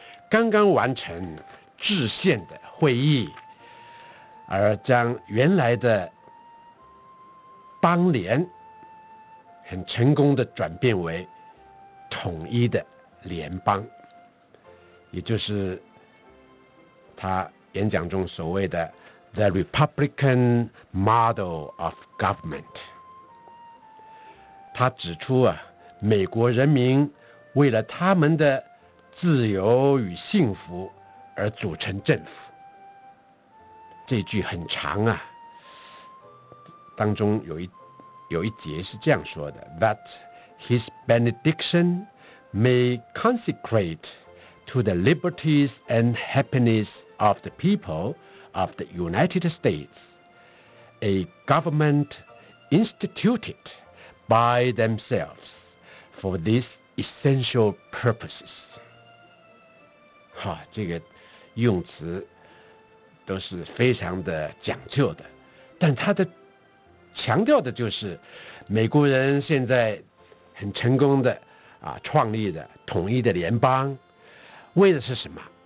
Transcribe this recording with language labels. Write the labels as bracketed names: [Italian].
[Chinese] 刚刚完成制宪的会议，而将原来的邦联很成功的转变为统一的联邦，也就是他演讲中所谓的 [English] The Republican Model of Government。 [Chinese] 他指出啊，美国人民为了他们的自由与幸福而组成政府。这句很长啊，当中有一节是这样说的 [English] ：That his benediction may consecrate to the liberties and happiness of the people of the United States a government instituted by themselves for these essential purposes。 [Chinese] 哈，这个用词都是非常的讲究的，但他的强调的就是美国人现在很成功的啊创立的统一的联邦，为的是什么？